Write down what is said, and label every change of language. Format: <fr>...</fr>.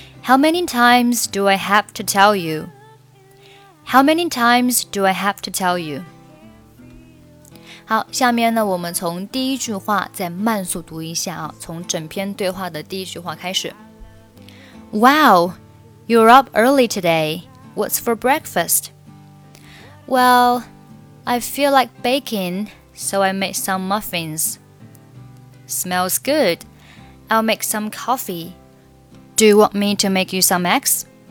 <en>How many times do I have to tell you? How many times do I have to tell you?</en> <zh>好，下面呢，我们从第一句话再慢速读一下啊，从整篇对话的第一句话开始。</zh> <en>Wow, you're up early today. What's for breakfast? Well, I feel like baking, so I made some muffins. Smells good. I'll make some coffee. Do you want me to make you some eggs?</en>